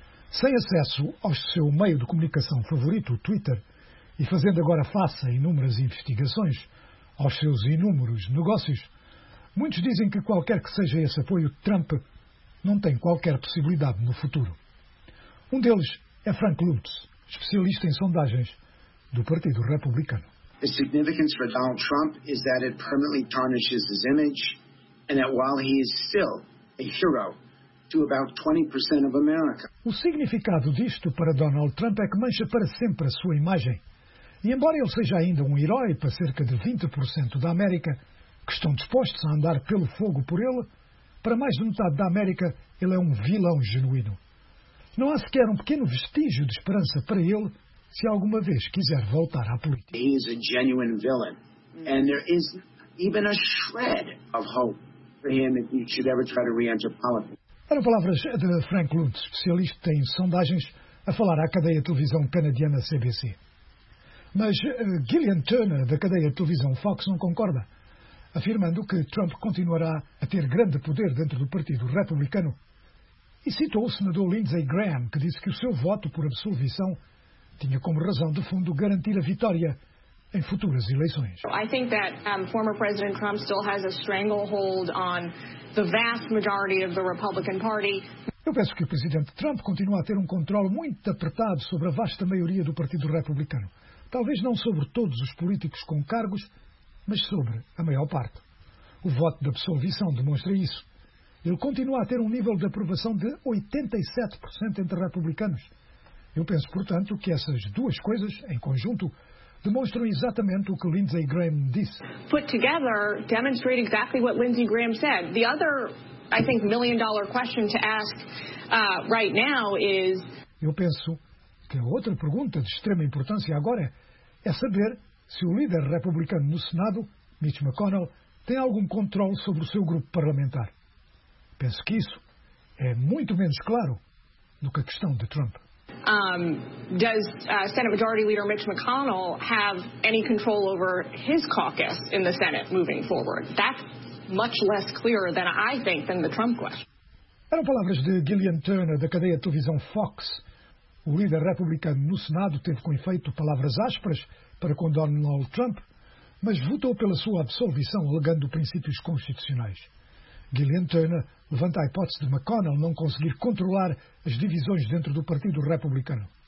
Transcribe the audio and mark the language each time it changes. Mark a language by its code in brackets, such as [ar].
[pt] Sem acesso ao seu meio de comunicação favorito, o Twitter, e fazendo agora face a inúmeras investigações aos seus inúmeros negócios, muitos dizem que qualquer que seja esse apoio de Trump não tem qualquer possibilidade no futuro. Um deles é Frank Lutz, especialista em sondagens do Partido Republicano. [en] The significance for Donald Trump is that it permanently tarnishes his image and that while he is still a hero to about 20% of America. [pt] O significado disto para Donald Trump é que mancha para sempre a sua imagem. E embora ele seja ainda um herói para cerca de 20% da América, que estão dispostos a andar pelo fogo por ele, para mais de metade da América ele é um vilão genuíno. Não há sequer um pequeno vestígio de esperança para ele se alguma vez quiser voltar à política. [en] He is a genuine villain, and there is even a shred of hope for him if he should ever try to re-enter politics. [pt] Eram palavras de Frank Lutz, especialista em sondagens, a falar à cadeia de televisão canadiana CBC. Mas Gillian Turner, da cadeia de televisão Fox, não concorda, afirmando que Trump continuará a ter grande poder dentro do Partido Republicano, e citou o senador Lindsey Graham, que disse que o seu voto por absolvição tinha como razão de fundo garantir a vitória em futuras eleições. [en] I think that former President Trump still has a stranglehold on the vast majority of the Republican Party. [pt] Eu penso que o presidente Trump continua a ter um controle muito apertado sobre a vasta maioria do Partido Republicano. Talvez não sobre todos os políticos com cargos, mas sobre a maior parte. O voto de absolvição demonstra isso. Ele continua a ter um nível de aprovação de 87% entre republicanos. Eu penso, portanto, que essas duas coisas, em conjunto, demonstram exatamente o que Lindsey Graham disse. [en] Put together, demonstrate exactly what Lindsey Graham said. The other, I think, million-dollar question to ask right now is... [pt] Eu penso que a outra pergunta de extrema importância agora é saber se o líder republicano no Senado, Mitch McConnell, tem algum controle sobre o seu grupo parlamentar. Penso que isso é muito menos claro do que a questão de Trump. [en] Does Senate Majority Leader Mitch McConnell have any control over his caucus in the Senate moving forward? That's much less clear than I think than the Trump question. [pt] Eram palavras de Gillian Turner, da cadeia de televisão Fox. O líder republicano no Senado teve com efeito palavras ásperas para com Donald Trump, mas votou pela sua absolvição, alegando princípios constitucionais. Gillian Turner levanta a hipótese de McConnell não conseguir controlar as divisões dentro do Partido Republicano.